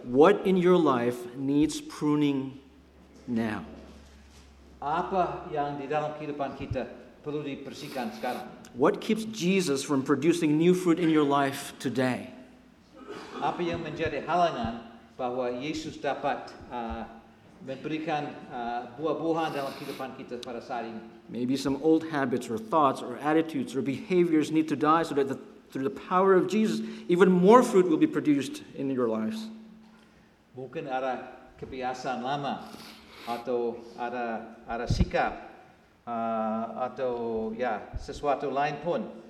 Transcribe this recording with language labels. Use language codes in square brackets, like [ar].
[en] What in your life needs pruning now? [id] Apa yang di dalam kehidupan kita perlu dibersihkan sekarang? [en] What keeps Jesus from producing new fruit in your life today? [id] Apa yang menjadi halangan bahwa Yesus dapat memberikan buah-buahan dalam kehidupan kita pada saat ini? [en] Maybe some old habits or thoughts or attitudes or behaviors need to die so that through the power of Jesus, even more fruit will be produced in your lives. [id] Mungkin ada kebiasaan lama atau ada sikap atau ya sesuatu lain pun.